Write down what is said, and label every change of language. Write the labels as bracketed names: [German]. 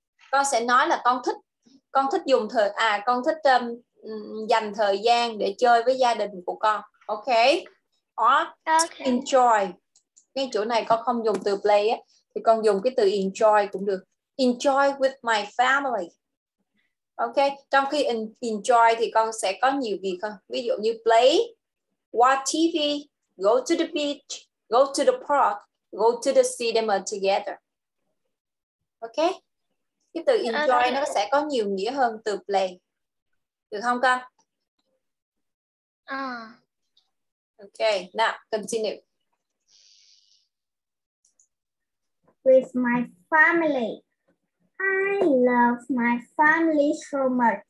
[Vietnamese] Con sẽ nói là con thích dành thời gian để chơi với gia đình của con. [English] Okay? Okay. Enjoy. [Vietnamese] Cái chỗ này con không dùng từ play á, thì con dùng cái từ enjoy cũng được. [English] Enjoy with my family. [Vietnamese] Okay, trong khi enjoy thì con sẽ có nhiều việc hơn. Ví dụ như [English] play, watch TV, go to the beach, go to the park, go to the cinema together. [Vietnamese] Okay, cái từ enjoy nó sẽ có nhiều nghĩa hơn từ play. Được không con? [English] Okay, now continue. With my family. I love my family so much.